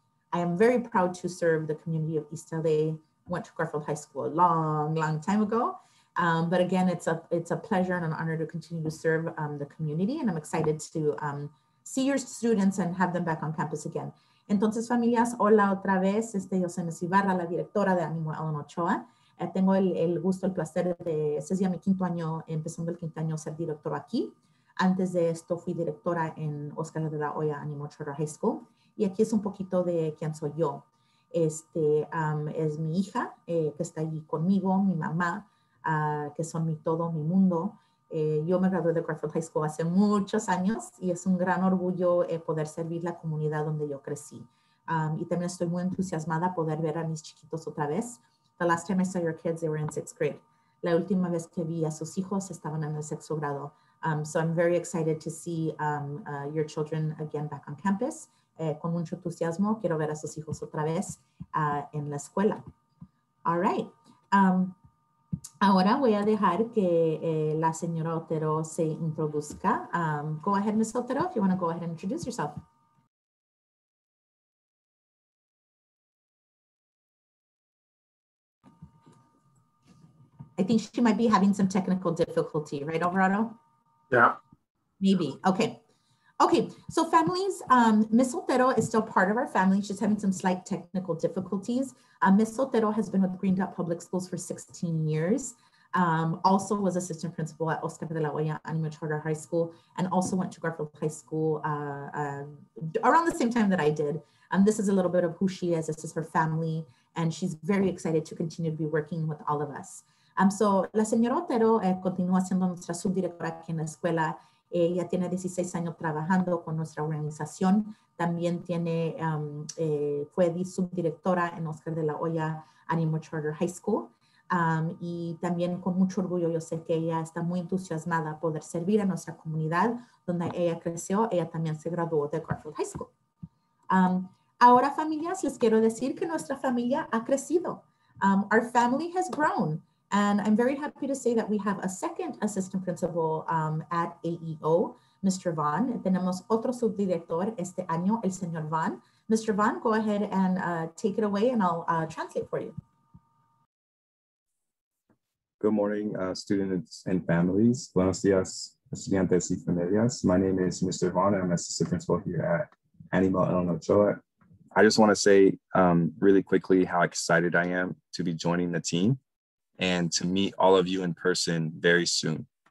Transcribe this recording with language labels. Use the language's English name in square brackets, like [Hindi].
[English] I am very proud to serve the community of East LA. Went to Garfield High School a long, long time ago. But again, it's a pleasure and an honor to continue to serve the community, and I'm excited to see your students and have them back on campus again. [Spanish] Entonces, familias, hola otra vez. Yo soy Ms. Ibarra, la directora de Ánimo a Uno Ochoa. Tengo el gusto, el placer de, este es ya mi quinto año, empezando el quinto año, ser directora aquí. Antes de esto, fui directora en Oscar de la Hoya Ánimo Charter High School. Y aquí es un poquito de quién soy yo. Es mi hija, que está allí conmigo, mi mamá, que son mi todo, mi mundo. Yo me gradué de Garfield High School hace muchos años y es un gran orgullo poder servir la comunidad donde yo crecí. Y también estoy muy entusiasmada poder ver a mis chiquitos otra vez. [English] The last time I saw your kids, they were in sixth grade. [Spanish] La última vez que vi a sus hijos estaban en el sexto grado. [English] So I'm very excited to see your children again back on campus. [Spanish] Con mucho entusiasmo, quiero ver a sus hijos otra vez en la escuela. [English] All right. [Spanish] Ahora voy a dejar que la señora Otero se introduzca. [English] Go ahead, Ms. Otero, if you want to go ahead and introduce yourself. I think she might be having some technical difficulty, right, Alvarado? Yeah. Maybe. Okay. Okay, so families, Ms. Otero is still part of our family. She's having some slight technical difficulties. Ms. Otero has been with Green Dot Public Schools for 16 years. Also was assistant principal at Oscar de la Hoya Ánimo Charter High School and also went to Garfield High School around the same time that I did. This is a little bit of who she is. This is her family and she's very excited to continue to be working with all of us. [Spanish] So la señora Otero continúa siendo nuestra subdirectora aquí en la escuela. Ella tiene 16 años trabajando con nuestra organización. También tiene, fue subdirectora en Oscar de la Hoya Ánimo Charter High School. Y también con mucho orgullo, yo sé que ella está muy entusiasmada poder servir a nuestra comunidad donde ella creció. Ella también se graduó de Garfield High School. Ahora, familias, les quiero decir que nuestra familia ha crecido. [English] Our family has grown. And I'm very happy to say that we have a second assistant principal at AEO. Mr. Van. [Spanish] Tenemos otro subdirector este año, el señor Van. [English] Mr. Van, go ahead and take it away and I'll translate for you. Good morning, students and families. [Spanish] Buenos dias, estudiantes y familias. [English] My name is Mr. Van. I'm assistant principal here at Animal El Nochoa. I just want to say really quickly how excited I am to be joining the team and to meet all of you in person very soon.